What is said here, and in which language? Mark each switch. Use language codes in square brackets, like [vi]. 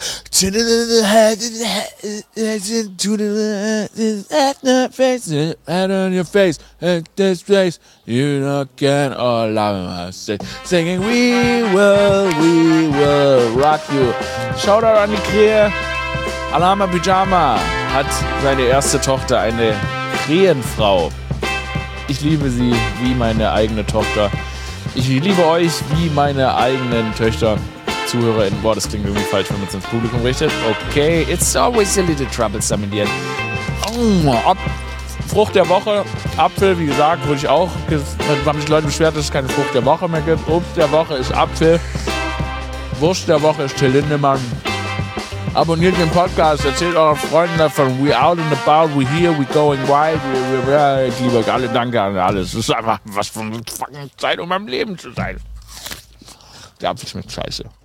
[en] Singing, we will rock you. [de] Shoutout an die Krähe. Alama Pyjama hat seine erste Tochter, eine Krähenfrau. Ich liebe sie wie meine eigene Tochter. Ich liebe euch wie meine eigenen Töchter. ZuhörerInnen. Boah, das klingt irgendwie falsch, wenn man es ins Publikum richtet. [en] Okay, it's always a little troublesome in the end. [de] Frucht der Woche. Apfel, wie gesagt, wurde ich auch. Haben sich Leute beschwert, dass es keine Frucht der Woche mehr gibt. Obst der Woche ist Apfel. Wurst der Woche ist Till Lindemann. Abonniert den Podcast, erzählt euren Freunden davon. [en] We out and about, we here, we going wild. [de] Ich liebe euch alle, danke an alle. Es ist einfach was von fucking Zeit, um am Leben zu sein. Der Apfel schmeckt scheiße.